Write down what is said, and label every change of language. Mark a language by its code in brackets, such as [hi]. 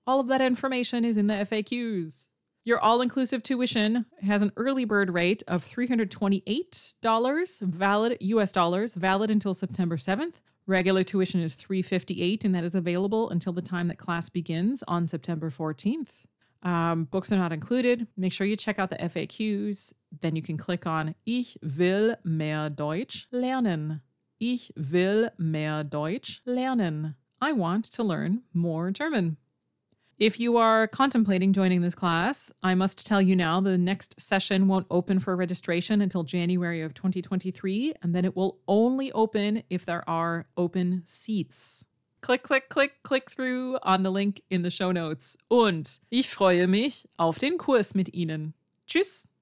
[en] All of that information is in the FAQs. Your all-inclusive tuition has an early bird rate of $328, valid US dollars, valid until September 7th. Regular tuition is $358, and that is available until the time that class begins on September 14th. Books are not included. Make sure you check out the FAQs. Then you can click on [de] Ich will mehr Deutsch lernen. Ich will mehr Deutsch lernen. [en] I want to learn more German. If you are contemplating joining this class, I must tell you now the next session won't open for registration until January of 2023, and then it will only open if there are open seats. Click, click, click, click through on the link in the show notes. [de] Und ich freue mich auf den Kurs mit Ihnen. Tschüss!